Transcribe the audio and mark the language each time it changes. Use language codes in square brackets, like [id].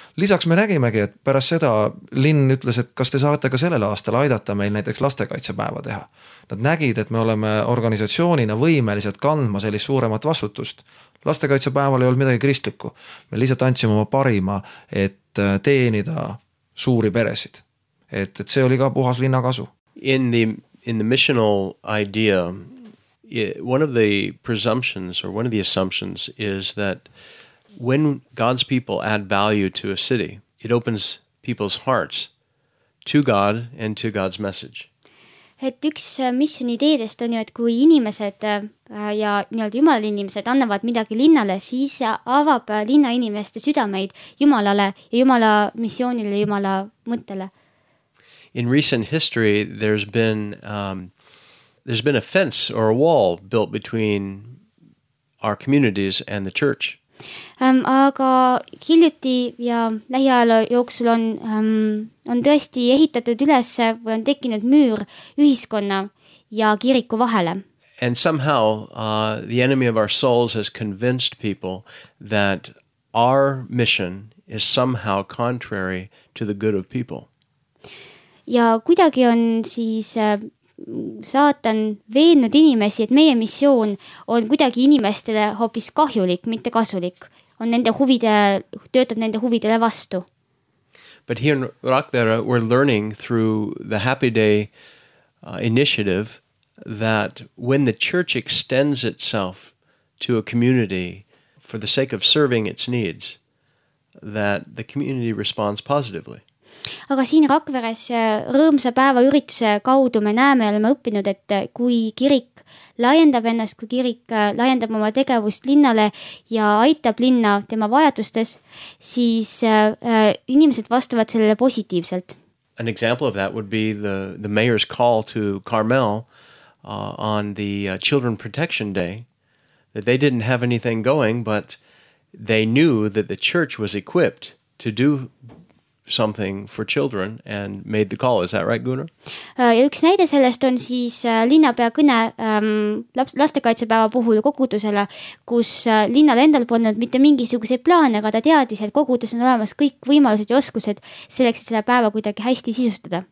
[et] Lisaks me nägimegi, et pärast seda linn ütles, et kas te saate ka sellel aastal aidata meil näiteks lastekaitsepäeva teha. Nad nägid, et me oleme organisatsioonina võimeliselt kandma sellist suuremat vastutust. Lastekaitsepäeval ei olnud midagi kristlikku. Me lihtsalt andsime oma parima, et teenida suuri peresid. Et see oli ka puhas linna kasu. [en] In the missional idea, one of the presumptions or one of the assumptions is that when God's people add value to a city, it opens people's hearts to God and to God's message. [et] Et üks missiooni ideedest on ju, et kui inimesed ja nii-öelda Jumala inimesed annavad midagi linnale, siis avab linna inimeste südameid Jumalale ja Jumala missioonile ja Jumala mõttele. [en] In recent history, there's been a fence or a wall built between our communities and the church. [et] Aga hiljuti ja lähiajalo jooksul on tõesti ehitatud üles või on tekinud müür ühiskonna ja kiriku vahele. [en] And somehow the enemy of our souls has convinced people that our mission is somehow contrary to the good of people. [et] Ja kuidagi on siis saatan veennud inimesi, et meie missioon on kuidagi inimestele hoopis kahjulik, mitte kasulik. On nende huvide, töötab nende huvidele vastu. [en] But here in Rakvere, we're learning through the Happy Day initiative that when the church extends itself to a community for the sake of serving its needs, that the community responds positively. [et] Aga siin Rakveres rõõmsa päeva ürituse kaudu me näeme ja oleme õppinud, et kui kirik laiendab ennast, kui kirik laiendab oma tegevust linnale ja aitab linna tema vajadustes, siis inimesed vastuvad sellele positiivselt. [en] An example of that would be the mayor's call to Carmel on the Children Protection Day, that they didn't have anything going, but they knew that the church was equipped to do something for children and made the call. Is that right, Gunnar? [et] Ja üks näide sellest on siis linnapea kõne lastekaitsepäeva puhul kogudusele, kus linnal endal polnud mitte mingisuguseid plaane, aga ta teadis, et kogudus on olemas kõik võimalused ja oskused selleks, et seda päeva kuidagi hästi sisustada.